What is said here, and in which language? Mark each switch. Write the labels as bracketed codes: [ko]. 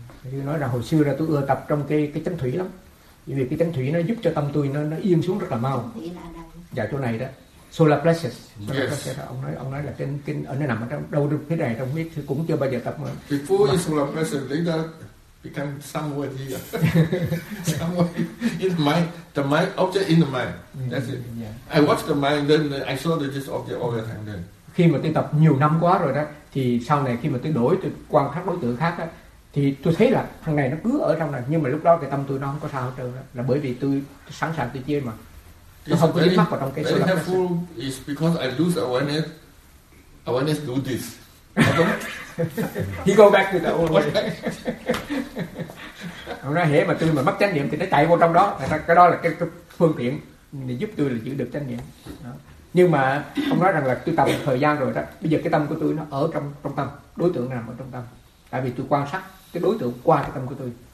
[vi] You nói là hồi xưa là tôi ưa tập trong cái chánh thủy lắm. Vì cái chánh thủy nó giúp cho tâm tôi nó yên xuống rất là mau. Dạ chỗ này đó. Solar plexus. [en] Yes. [vi] Ông nói là kinh ở nơi nằm ở trong đâu được cái này trong biết thì cũng chưa bao giờ tập mà. [en] Before is solar plexus, later become somewhere here. Somewhere in the mind, object in the mind. That's it. Yeah. I watch the mind, then I saw that this object all the time. Then [vi] khi mà tôi tập nhiều năm quá rồi đó, thì sau này khi mà tôi đổi từ quan sát đối tượng khác đó, thì tôi thấy là thằng này nó cứ ở trong này, nhưng mà lúc đó cái tâm tôi nó không có sao hết trơn đó. Là bởi vì tôi sẵn sàng tôi chia mà. [en] It's very helpful is because I lose awareness do this. He go back to the old way. [vi] Ông nói hễ mà tôi mà mất chánh niệm thì nó chạy vô trong đó. Cái đó là cái phương tiện để giúp tôi là giữ được chánh niệm. Nhưng mà ông nói rằng là tôi tập thời gian rồi đó. Bây giờ cái tâm của tôi nó ở trong tâm, đối tượng nằm ở trong tâm. Tại vì tôi quan sát cái đối tượng qua cái tâm của tôi.